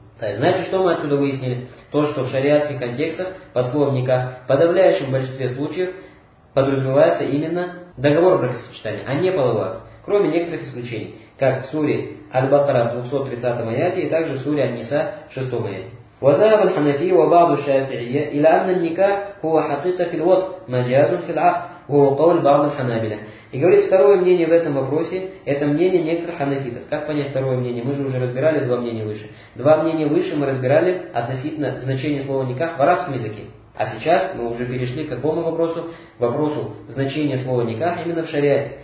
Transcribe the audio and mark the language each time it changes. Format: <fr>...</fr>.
<ru>Значит, что мы отсюда выяснили? То, что в шариатских контекстах по словам никах в подавляющем большинстве случаев подразумевается именно договор бракосочетания, а не половой акт. Кроме некоторых исключений, как в суре Аль-Бакара в 230 аяте и также в суре Ан-Ниса в 6 аяте.</ru> <ar>وذهب الحنفي وبعض الشافعية إلى أن النكاح هو حقيقة في الوطء مجاز في العقد وهو قول بعض الحنابلة.</ar> <ru>И говорит, второе мнение в этом вопросе, это мнение некоторых ханафитов. Как понять второе мнение? Мы же уже разбирали два мнения выше. Два мнения выше мы разбирали относительно значения слова никах в арабском языке. А сейчас мы уже перешли к какому вопросу? К вопросу значения слова никах именно в шариате.</ru>